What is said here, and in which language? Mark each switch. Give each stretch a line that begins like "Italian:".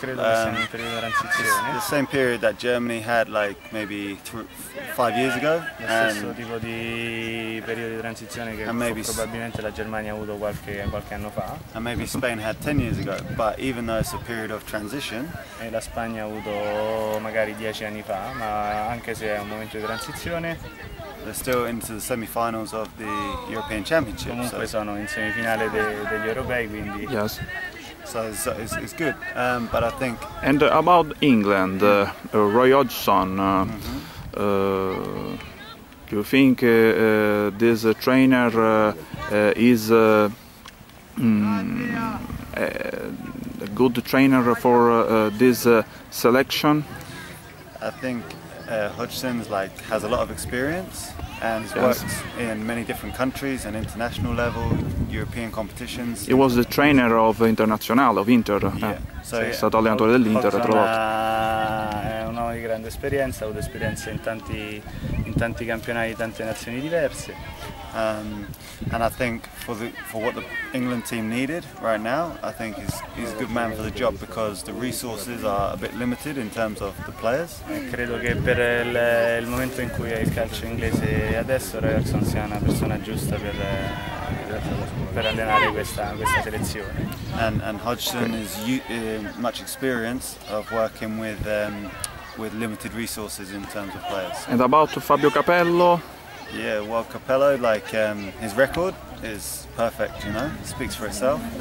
English: It's the same period that Germany had, like maybe 5 years ago.
Italian: Tipo di periodo di transizione che probabilmente la Germania ha avuto qualche anno fa.
English: And maybe Spain had 10 years ago, but even though it's a period of transition.
Italian: E la Spagna ha avuto magari 10 anni fa, ma anche se è un momento di transizione.
English: They're still into the semi-finals of the European Championship.
Italian: Comunque sono in semifinale degli europei, quindi.
English: Yes. So it's good, but I think. And about England, Roy Hodgson, do you think this trainer is a good trainer for this selection? I think Hodgson's like has a lot of experience. And he's worked in many different countries and international level, European competitions. He was the trainer of Internazionale, of Inter. Yeah.
Italian: È stato allenatore dell'Inter, tra l'altro. È un uomo di grande esperienza, ha avuto esperienza in tanti campionati di tante nazioni diverse.
English: And I think for what the England team needed right now, I think he's a good man for the job because the resources are a bit limited in terms of the players.
Italian: Credo che per il momento in cui è il calcio inglese adesso, Robertson sia una persona giusta per allenare questa selezione.
English: And Hodgson is much experience of working with limited resources in terms of players. And about Fabio Capello? Yeah, well, Capello, like his record is perfect, you know, it speaks for itself.